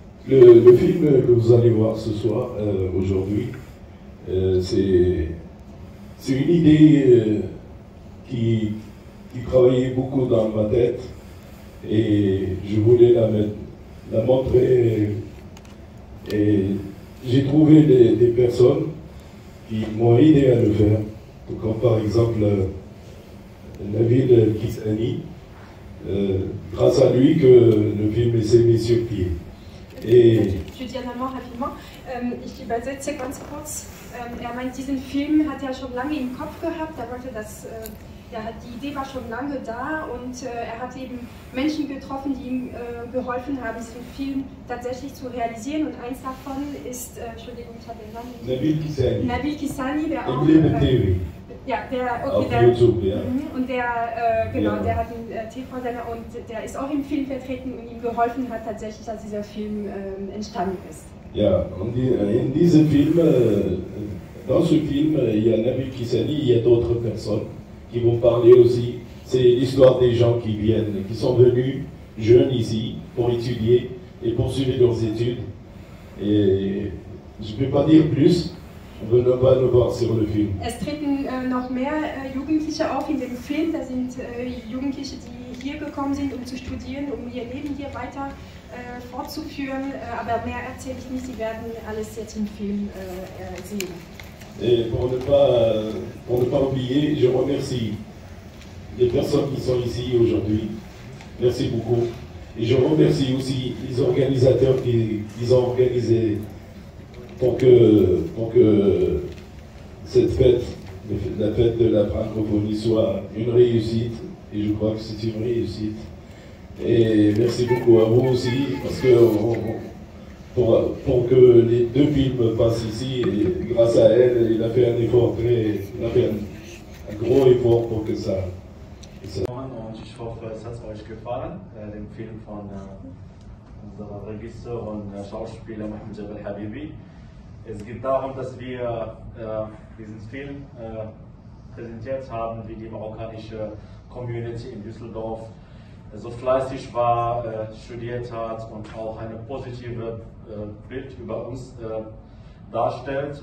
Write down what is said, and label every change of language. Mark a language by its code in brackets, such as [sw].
[fr] Le film que vous allez voir ce soir, aujourd'hui, c'est une idée qui travaillait beaucoup dans ma tête et je voulais la montrer. Et j'ai trouvé des personnes qui m'ont aidé à le faire, comme par exemple la ville de Kisani, grâce à lui que le film s'est mis sur pied. Et je dis à maman rapidement, [de] ich gebe das jetzt ganz kurz. Er meint, diesen Film hat er schon lange im Kopf gehabt. Er wollte das, ja, die Idee war schon lange da und er hat eben Menschen getroffen, die ihm geholfen haben, diesen Film tatsächlich zu realisieren. Und eins davon ist, Entschuldigung, ich habe den Namen. Nabil Kisani, der auch. Auf dem TV. Ja, der, okay, auf der, YouTube, ja. Und der, genau, ja. Der hat den TV-Sender und der ist auch im Film vertreten und ihm geholfen hat tatsächlich, dass dieser Film entstanden ist. [fr] Il y a un film, dans ce film, il y a Nabucodonosor, il y a d'autres personnes qui vont parler aussi. C'est l'histoire des gens qui viennent, qui sont venus jeunes ici pour étudier et poursuivre leurs études. Et je ne peux pas dire plus, on ne va pas le voir sur le film. [de] Es treten noch mehr Jugendliche auf in dem Film. Da sind Jugendliche, die hier gekommen sind, um zu studieren, um ihr Leben hier weiter fortzuführen. Aber mehr erzähle ich nicht, sie werden alles jetzt im Film sehen. [fr] Et pour ne pas oublier, je remercie les personnes qui sont ici aujourd'hui. Merci beaucoup. Et je remercie aussi les organisateurs qui ont organisé pour que cette fête, la fête de la francophonie, soit une réussite. Et je crois que c'est une réussite. Et merci beaucoup à vous aussi, parce que pour que les deux films passent ici, et grâce à elle, il a fait un effort très. Il a fait un gros effort pour que ça. [de] Und ich hoffe, es hat euch gefallen, den Film von unserem Regisseur und Schauspieler Mohamed Jabal Habibi. Es geht darum, dass wir diesen Film präsentiert haben, wie die marokkanische Community in Düsseldorf so fleißig war, studiert hat und auch eine positive Bild über uns darstellt.